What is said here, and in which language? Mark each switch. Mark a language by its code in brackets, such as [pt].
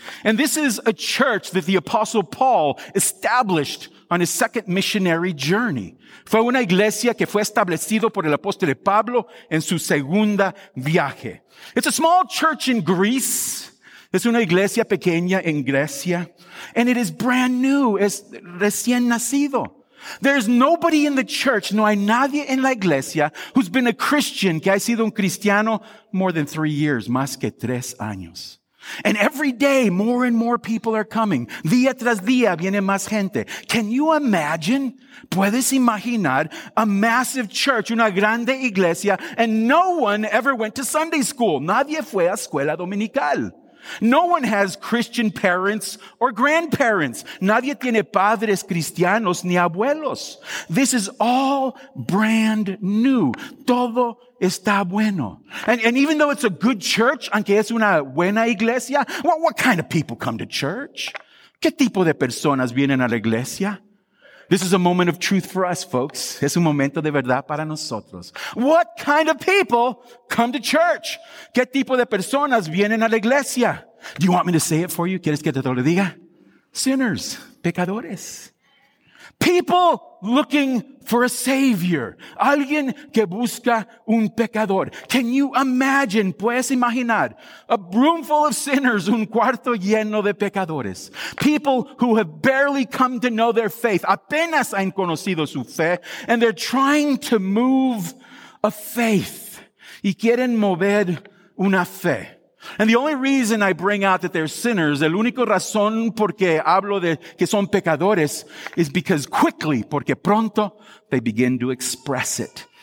[en] And this is a church that the apostle Paul established on his second missionary journey. [es] Fue una iglesia que fue establecido por el apóstol Pablo en su segunda viaje. [en] It's a small church in Greece. [es] Es una iglesia pequeña en Grecia. [en] And it is brand new. [es] Es recién nacido. [en] There's nobody in the church, [es] no hay nadie en la iglesia, [en] who's been a Christian, [es] que ha sido un cristiano, [en] more than 3 years, [es] más que tres años. [en] And every day, more and more people are coming. [es] Día tras día, viene más gente. [en] Can you imagine? [es] ¿Puedes imaginar [en] a massive church, [es] una grande iglesia, [en] and no one ever went to Sunday school? [es] Nadie fue a escuela dominical. [en] No one has Christian parents or grandparents. [es] Nadie tiene padres cristianos ni abuelos. [en] This is all brand new. [es] Todo está bueno. [en] And even though it's a good church, [es] aunque es una buena iglesia, [en] what kind of people come to church? [es] ¿Qué tipo de personas vienen a la iglesia? [en] This is a moment of truth for us, folks. [es] Es un momento de verdad para nosotros. [en] What kind of people come to church? [es] ¿Qué tipo de personas vienen a la iglesia? [en] Do you want me to say it for you? [es] ¿Quieres que te lo diga? Sinners, pecadores. [en] People looking for a savior. [es] Alguien que busca un pecador. [en] Can you imagine? [es] ¿Puedes imaginar? [en] A room full of sinners, [es] un cuarto lleno de pecadores. [en] People who have barely come to know their faith. [es] Apenas han conocido su fe. [en] And they're trying to move a faith. [es] Y quieren mover una fe. [en] And the only reason I bring out that they're sinners, [es] el único razón por qué hablo de que son pecadores, [en] is because quickly, [es] porque pronto, [en] they begin to express it.